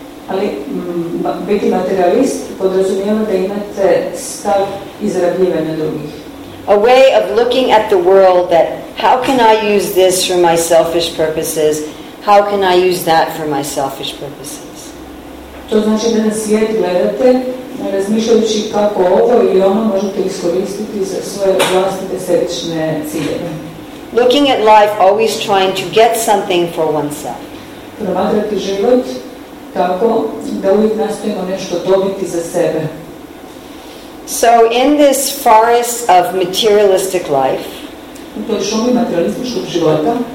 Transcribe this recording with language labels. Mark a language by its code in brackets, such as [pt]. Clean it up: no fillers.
[hr] Ali biti materialist podrazumijeva da imate stav izrabljivanja drugih. [en] A way of looking at the world that how can I use this for my selfish purposes? How can I use that for my selfish purposes? [hr] To znači da na svijet gledate razmišljajući kako ovo ili ono možete iskoristiti za svoje vlastite sebične ciljeve. [en] Looking at life always trying to get something for oneself. [hr] Promatrati život tako da uvijek nastojimo nešto dobiti za sebe. [en] So in this forest of materialistic life, [hr] u toj šumi materialističkog života,